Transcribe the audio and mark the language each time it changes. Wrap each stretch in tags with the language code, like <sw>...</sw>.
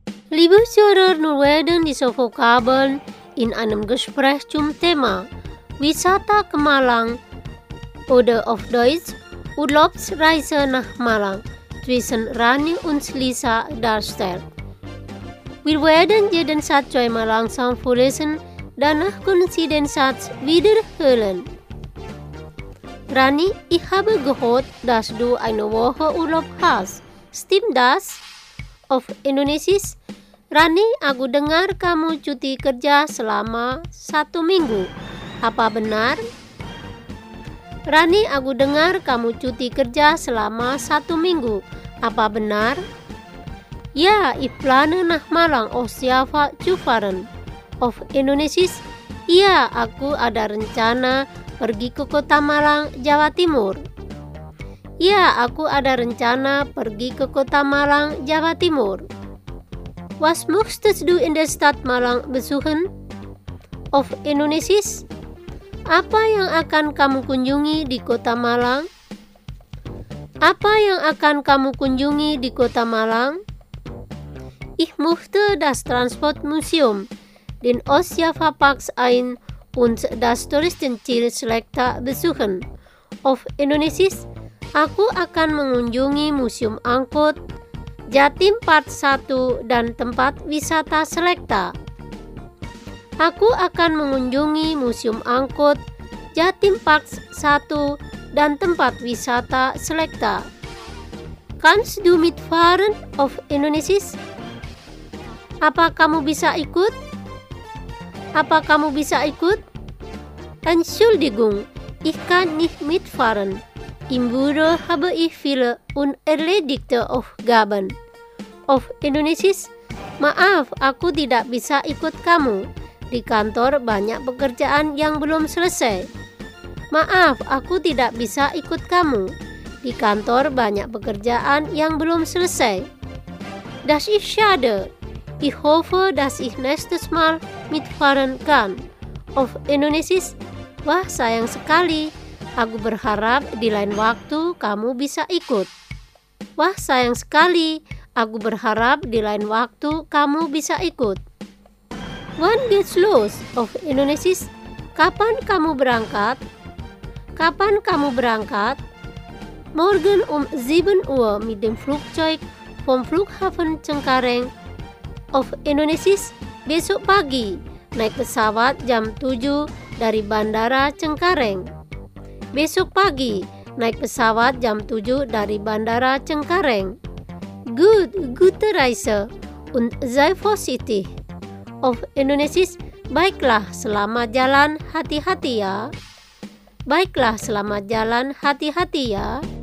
<de>Liebe Zuhörer, nun werden die Sofokabeln in einem Gespräch zum Thema</de> <id>Wisata ke Malang</id> <de>oder auf Deutsch Urlaubsreise nach Malang zwischen Rani und Lisa darstellt. Wir werden jeden Satz zweimal langsam vorlesen, danach können Sie den Satz wiederholen. Rani, ich habe gehört, dass du eine Woche Urlaub hast. Stimmt das? Auf Indonesisch.</de> <id>Rani, aku dengar kamu cuti kerja selama 1 minggu. Apa benar? Rani, aku dengar kamu cuti kerja selama 1 minggu. Apa benar?</id> <de>Ya, ich plane nach Malang osiava zu fahren. Of Indonesisch.</de> <id>Iya, aku ada rencana pergi ke kota Malang, Jawa Timur. Iya, aku ada rencana pergi ke kota Malang, Jawa Timur.</id> <de>Was möchtest du in der Stadt Malang besuchen? Of Indonesisch.</de> <id>Apa yang akan kamu kunjungi di kota Malang? Apa yang akan kamu kunjungi di kota Malang?</id> <de>Ich möchte das Transportmuseum, den Ossiafa Park ein und das Touristenziel Selekta besuchen. Of Indonesisch.</de> <id>Aku akan mengunjungi Museum Angkut, Jatim Part 1 dan tempat wisata Selekta. Aku akan mengunjungi Museum Angkut, Jatim Park 1 dan tempat wisata Selekta.</id> <de>Kannst du mitfahren of Indonesisch?</de> <id>Apa kamu bisa ikut? Apa kamu bisa ikut?</id> <de>Entschuldigung, ich kann nicht mitfahren. Im Büro habe ich viele unerledigte Aufgaben. Auf Indonesisch?</de> <id>Maaf, aku tidak bisa ikut kamu. Di kantor banyak pekerjaan yang belum selesai. Maaf, aku tidak bisa ikut kamu. Di kantor banyak pekerjaan yang belum selesai.</id> <de>Das ist schade. Ich hoffe, dass ich nächstes Mal mitfahren kann. Auf Indonesisch?</de> <id>Wah, sayang sekali. Aku berharap di lain waktu kamu bisa ikut. Wah, sayang sekali. Aku berharap di lain waktu kamu bisa ikut.</id> <de>When geht's los? Auf Indonesisch?</de> <id>Kapan kamu berangkat? Kapan kamu berangkat?</id> <de>Morgen 7 Uhr mit dem Flugzeug vom Flughafen Cengkareng. Auf Indonesisch?</de> <id>Besok pagi, naik pesawat jam 7 dari Bandara Cengkareng. Besok pagi, naik pesawat jam 7 dari Bandara Cengkareng.</id> <de>Good, gute Reise und sei vorsichtig. Auf Indonesisch?</de> <id>Baiklah, selamat jalan, hati-hati ya. Baiklah, selamat jalan, hati-hati ya.</id>